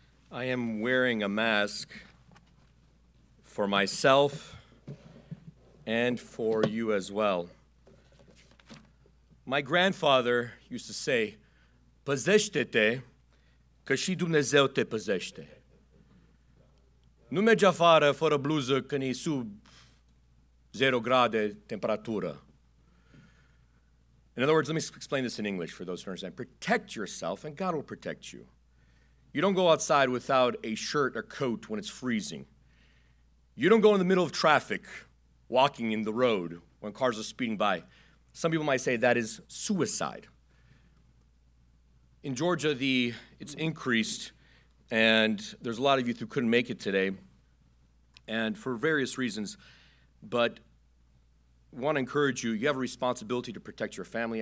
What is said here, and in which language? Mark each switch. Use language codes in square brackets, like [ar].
[en] I am wearing a mask for myself and for you as well. My grandfather used to say, [ro] păzește-te, că și Dumnezeu te păzește. Nu mergi afară fără bluză când e sub 0 grade temperatură. [en] In other words, let me explain this in English for those who understand. Protect yourself and God will protect you. You don't go outside without a shirt or coat when it's freezing. You don't go in the middle of traffic walking in the road when cars are speeding by. Some people might say that is suicide. In Georgia, it's increased, and there's a lot of youth who couldn't make it today, and for various reasons, but I want to encourage you, you have a responsibility to protect your family.